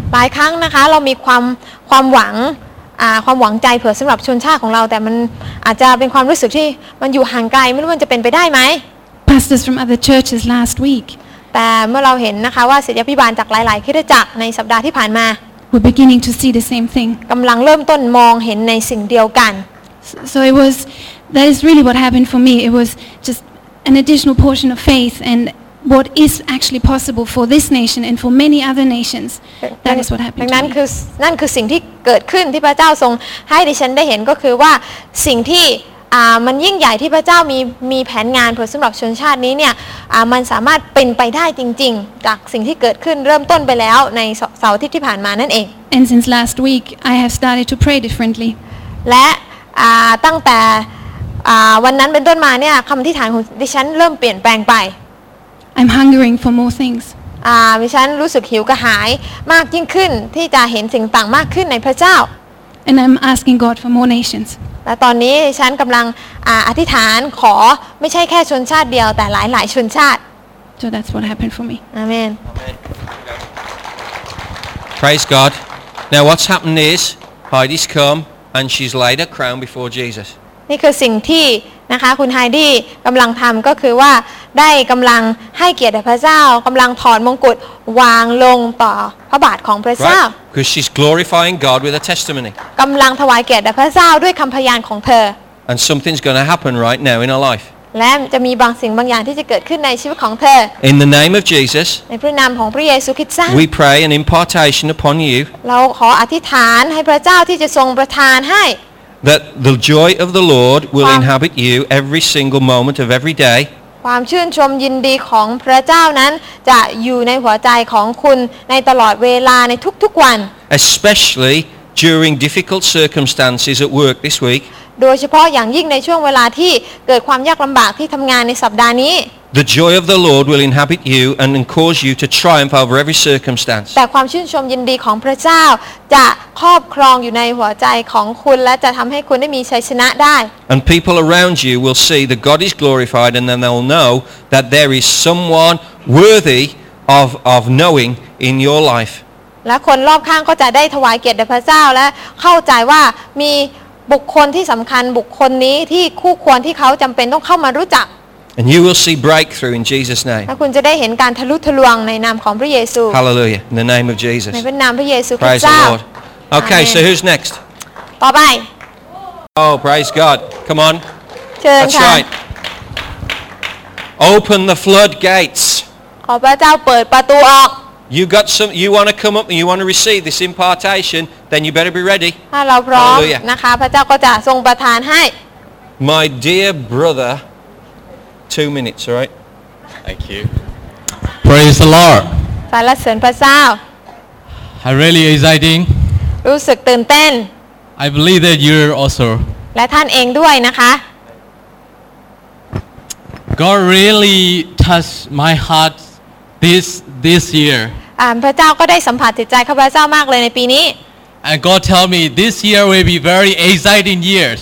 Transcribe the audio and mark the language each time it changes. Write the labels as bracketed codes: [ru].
[th] หลายครั้งนะคะเรามีความหวังความหวังใจเผื่อสําหรับชนชาติของเราแต่มันอาจจะเป็นความรู้สึกที่มันอยู่ห่างไกลไม่รู้มันจะเป็นไปได้ไหม [en] Pastors from other churches last week [th] แต่เมื่อเราเห็นนะคะว่าศิษยาภิบาลจากหลายๆคริสตจักรในสัปดาห์ที่ผ่านมา [en] We're beginning to see the same thing [th] กำลังเริ่มต้นมองเห็นในสิ่งเดียวกัน [en] So it was that is really what happened for me it was just an additional portion of faith and what is actually possible for this nation and for many other nations that is what happened [th] นั่นคือสิ่งที่เกิดขึ้นที่พระเจ้าทรงให้ดิฉันได้เห็นก็คือว่าสิ่งที่มันยิ่งใหญ่ที่พระเจ้ามีแผนงานเพื่อสำหรับชนชาตินี้เนี่ยมันสามารถเป็นไปได้จริงๆจากสิ่งที่เกิดขึ้นเริ่มต้นไปแล้วในเสาร์ที่ผ่านมานั่นเอง [en] And since last week I have started to pray differently [th] และตั้งแต่วันนั้นเป็นต้นมาเนี่ยคำอธิษฐานของดิฉันเริ่มเปลี่ยนแปลงไป [en] I'm hungering for more things [th] ดิฉันรู้สึกหิวกระหายมากยิ่งขึ้นที่จะเห็นสิ่งต่างมากขึ้นในพระเจ้า [en] And I'm asking God for more nations [th] แต่ตอนนี้ฉันกำลังอธิษฐานขอไม่ใช่แค่ชนชาติเดียวแต่หลายๆชนชาติ [en] So that's what happened for me. Amen. Praise God. Now what's happened is Heidi's come and she's laid a crown before Jesus. [th] นี่คือสิ่งที่นะคะคุณไฮดี้กำลังทำก็คือว่าได้กำลังให้เกียรติพระเจ้ากำลังถอดมงกุฎวางลงต่อพระบาทของพระเจ้า [en] Because she's glorifying God with a testimony. [th] กำลังถวายเกียรติพระเจ้าด้วยคำพยานของเธอ [en] And something's going to happen right now in her life. [th] และจะมีบางสิ่งบางอย่างที่จะเกิดขึ้นในชีวิตของเธอ [en] In the name of Jesus. [th] ในพระนามของพระเยซูคริสต์ [en] We pray an impartation upon you. [th] เราขออธิษฐานให้พระเจ้าที่จะทรงประทานให้ [en] That the joy of the Lord will inhabit you every single moment of every day. [th] ความชื่นชมยินดีของพระเจ้านั้นจะอยู่ในหัวใจของคุณในตลอดเวลาในทุกๆวัน [en] Especially during difficult circumstances at work this week. [th] โดยเฉพาะอย่างยิ่งในช่วงเวลาที่เกิดความยากลำบากที่ทำงานในสัปดาห์นี้ [en] The joy of the Lord will inhabit you and cause you to triumph over every circumstance. [th] แต่ความชื่นชมยินดีของพระเจ้าจะครอบครองอยู่ในหัวใจของคุณและจะทำให้คุณได้มีชัยชนะได้ [en] And people around you will see that God is glorified and then they'll know that there is someone worthy of knowing in your life. [th] และคนรอบข้างก็จะได้ถวายเกียรติแด่พระเจ้าและเข้าใจว่ามีบุคคลที่สำคัญบุคคลนี้ที่คู่ควรที่เขาจำเป็นต้องเข้ามารู้จัก [en] And you will see breakthrough in Jesus' name. [th] คุณจะได้เห็นการทะลุทะลวงในนามของพระเยซู [en] Hallelujah in the name of Jesus. [th] ในนามพระเยซูคริสต์เจ้า [en] Praise the Lord. Okay, so who's next? [th] ต่อไป [en] Oh, praise God. Come on. [th] เชิญค่ะ [en] That's right. Open the floodgates. [th] ขอพระเจ้าเปิดประตูออก [en] You got some you want to come up and you want to receive this impartation, then you better be ready. [th] ถ้าเราพร้อมนะคะพระเจ้าก็จะทรงประทานให้ [en] My dear brother Two minutes, all right? Thank you. Praise the Lord. [th] สรรเสริญพระเจ้า [en] I really exciting. [th] รู้สึกตื่นเต้น [en] I believe that you're also. [th] และท่านเองด้วยนะคะ [en] God really touched my heart this year. [th] พระเจ้าก็ได้สัมผัสจิตใจข้าพเจ้ามากเลยในปีนี้ [en] And God tell me this year will be very exciting years.